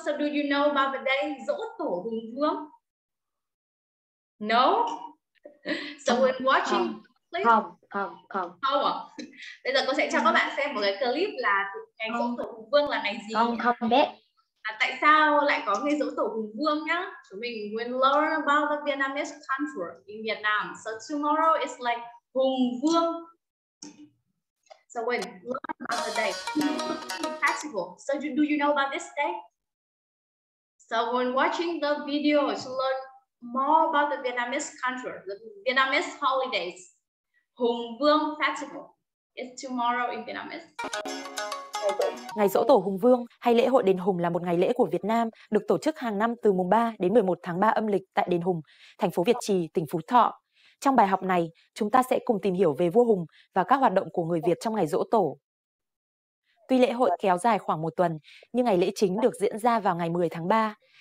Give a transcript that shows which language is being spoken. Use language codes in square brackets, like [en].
[en] So do you know about the day dỗ tổ Hùng Vương? No? So when watching [vi] clip? Không. Không à? Bây giờ cô sẽ cho các bạn xem một cái clip là ngày dỗ tổ Hùng Vương là ngày gì? Không biết. Tại sao lại có ngày dỗ tổ Hùng Vương nhá? Chúng mình [en] will learn about the Vietnamese culture in Vietnam. So tomorrow is like Hùng Vương. So when learn about the day, festival. So do you know about this day? So when watching the video to learn more about the Vietnamese culture, the Vietnamese holidays, Hùng Vương festival is tomorrow in Vietnamese. [vi] Ngày dỗ tổ Hùng Vương hay lễ hội Đền Hùng là một ngày lễ của Việt Nam được tổ chức hàng năm từ mùng 3 đến 11 tháng 3 âm lịch tại Đền Hùng, thành phố Việt Trì, tỉnh Phú Thọ. Trong bài học này, chúng ta sẽ cùng tìm hiểu về vua Hùng và các hoạt động của người Việt trong ngày dỗ tổ. Tuy lễ hội kéo dài khoảng 1 tuần, nhưng ngày lễ chính được diễn ra vào ngày 10 tháng 3.